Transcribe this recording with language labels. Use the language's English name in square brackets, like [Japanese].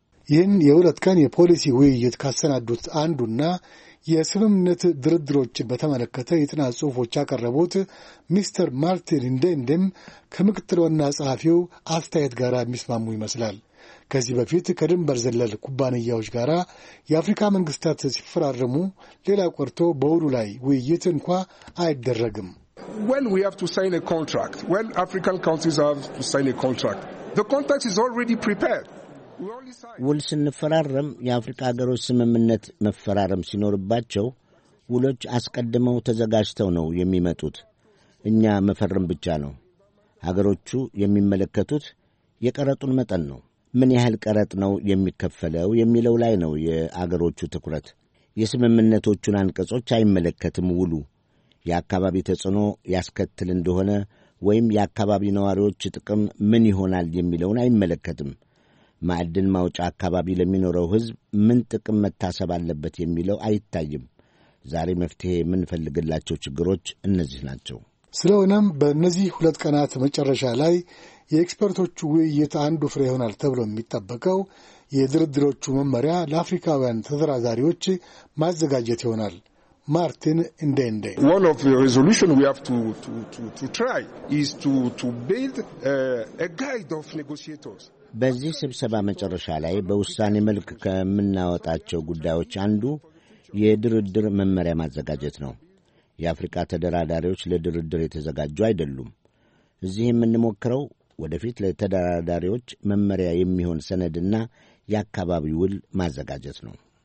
[Amharic] ይህን የሁለት ቀን የፖሊሲ ውይይት ካሰናዱት አንዱና የስምምነት ድርድሮችን በተመለከተ የጥናት ጽሑፎች ያቀረቡት ሚስተር ማርቲን እንደንድም ከምክትል ዋና ጸሐፊው አስተያየት ጋር የሚስማሙ ይመስላል። ከዚህ በፊት ከድንበር ዘለል ኩባንያዎች ጋር የአፍሪካ መንግስታት ሲፈራረሙ ሌላ ቆርቶ በውሉ ላይ ውይይት እንኳ አይደረግም። [English] When we have to sign a contract, when African countries have to sign a contract, the contract is already prepared. [Amharic] ውል ስንፈራረም የአፍሪካ አገሮች ስምምነት መፈራረም ሲኖርባቸው ውሎች አስቀድመው ተዘጋጅተው ነው የሚመጡት። እኛ መፈረም ብቻ ነው። አገሮቹ የሚመለከቱት የቀረጡን መጠን ነው። ምን ያህል ቀረጥ ነው የሚከፈለው የሚለው ላይ ነው የአገሮቹ ትኩረት። የስምምነቶቹን አንቀጾች አይመለከትም ውሉ። የአካባቢ ተጽዕኖ ያስከትል እንደሆነ ወይም የአካባቢ ነዋሪዎች ጥቅም ምን ይሆናል የሚለውን አይመለከትም። ማዕድን ማውጫ አካባቢ ለሚኖረው ሕዝብ ምን ጥቅም መታሰብ አለበት የሚለው አይታይም። ዛሬ መፍትሄ የምንፈልግላቸው ችግሮች እነዚህ ናቸው። ስለሆነም በእነዚህ ሁለት ቀናት መጨረሻ ላይ የኤክስፐርቶቹ ውይይት አንዱ ፍሬ ይሆናል ተብሎ የሚጠበቀው የድርድሮቹ መመሪያ ለአፍሪካውያን ተደራዳሪዎች ማዘጋጀት ይሆናል። Martin Ndende. [English] One of the resolution we have to try is to build a guide of negotiators. [Amharic] በዚህ ስብሰባ መጨረሻ ላይ በውሳኔ መልክ ከምናወጣቸው ጉዳዮች አንዱ የድርድር መመሪያ ማዘጋጀት ነው። የአፍሪካ ተደራዳሪዎች ለድርድር የተዘጋጁ አይደሉም። እዚህ የምንሞክረው ወደፊት ለተደራዳሪዎች መመሪያ የሚሆን ሰነድና የአካባቢው ውል ማዘጋጀት ነው።